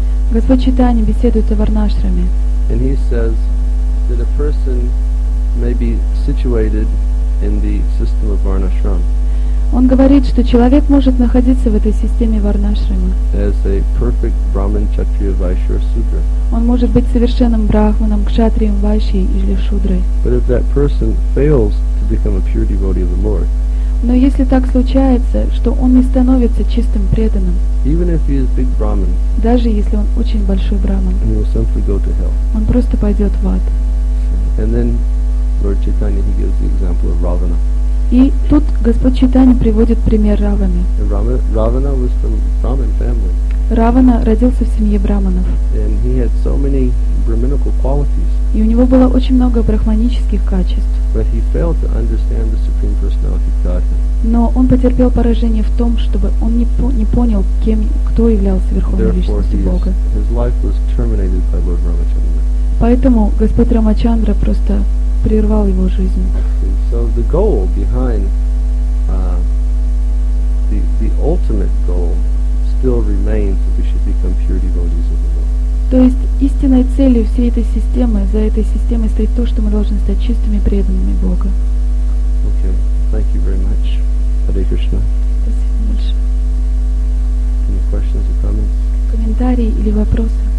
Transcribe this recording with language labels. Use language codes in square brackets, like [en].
[ru] Господь Чайтанья беседует о Варнашраме. [en] And he says that a person may be situated in the system of Varnashram. [ru] Он говорит, что человек может находиться в этой системе варнашрамы. [en] As a perfect Brahman, Kshatriya, Vaishya, Sudra. [ru] Он может быть совершенным брахманом, кшатрием, вайшей или шудрой. [en] But if that person fails to become a pure devotee of the Lord. [ru] Но если так случается, что он не становится чистым преданным, [en] even if he is big Brahman, [ru] даже если он очень большой брахман, [en] he will simply go to hell. [ru] Он просто пойдет в ад. [en] And then Lord Chaitanya, he gives the example of Ravana. [ru] И тут Господь Чайтанья приводит пример Раваны. [en] Ravana was from Brahmin family. [ru] Равана родился в семье брахманов. [en] And he had so many brahminical qualities. [ru] И у него было очень много брахманических качеств. [en] But he failed to understand the Supreme Personality of Godhead. [ru] Но он потерпел поражение в том, чтобы он не понял, кто являлся Верховной Личностью Бога. [en] His life was terminated by Lord Ramachandra. [ru] Поэтому Господь Рамачандра просто прервал его жизнь. [en] So the goal behind the ultimate goal still remains that we should become pure devotees of the Lord. [ru] То есть истинной целью всей этой системы, за этой системой стоит то, что мы должны стать чистыми преданными Бога. [en] Okay, thank you very much. Hare Krishna. [ru] Спасибо большое. [en] Any questions or comments? [ru] Комментарии или вопросы?